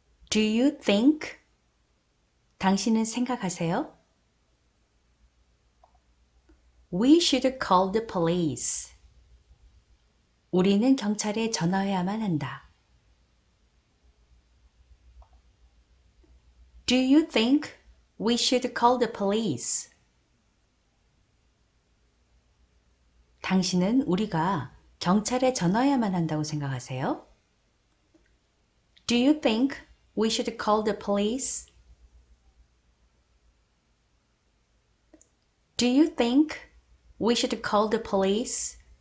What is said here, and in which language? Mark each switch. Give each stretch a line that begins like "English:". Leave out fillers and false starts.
English: Do you think?
Korean: 당신은 생각하세요?
English: We should call the police.
Korean: 우리는 경찰에 전화해야만 한다.
English: Do you think we should call the police?
Korean: 당신은 우리가 경찰에 전화해야만 한다고 생각하세요?
English: Do you think we should call the police? Do you think we should call the police?